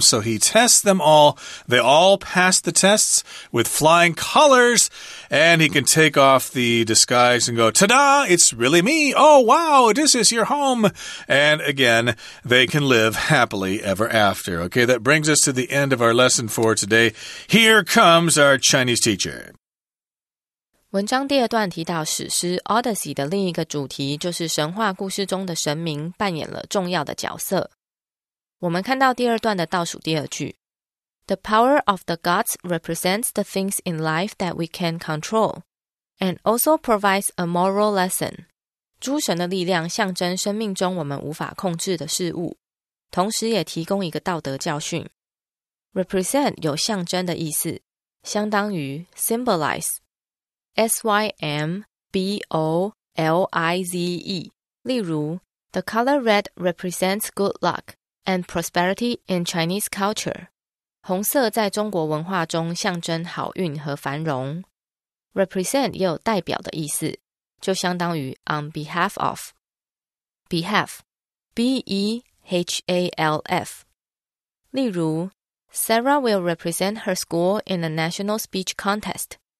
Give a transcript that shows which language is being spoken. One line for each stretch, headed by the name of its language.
English: So he tests them all. They all pass the tests with flying colors, and he can take off the disguise and go, ta-da, it's really me. Oh, wow, this is your home. And again, they can live happily ever after. Okay, that brings us to the end of our lesson for today. Here comes our Chinese teacher.
Chinese: 文章第二段提到史诗 Odyssey 的另一个主题就是神话故事中的神明扮演了重要的角色。我们看到第二段的倒数第二句。
English: The power of the gods represents the things in life that we can control, and also provides a moral lesson.
Chinese: 诸神的力量象征生命中我们无法控制的事物，同时也提供一个道德教训。 Represent 有象征的意思，相当于
English: symbolize, symbolize.
Chinese: 例如
English: ,the color red represents good luck and prosperity in Chinese culture.
Chinese: 红色在中国文化中象征好运和繁荣。 Represent 也有代表的意思，就相当于
English: on behalf of。 Behalf, B-E-H-A-L-F。
Chinese: 例如
English: ,Sarah will represent her school in a national speech contest.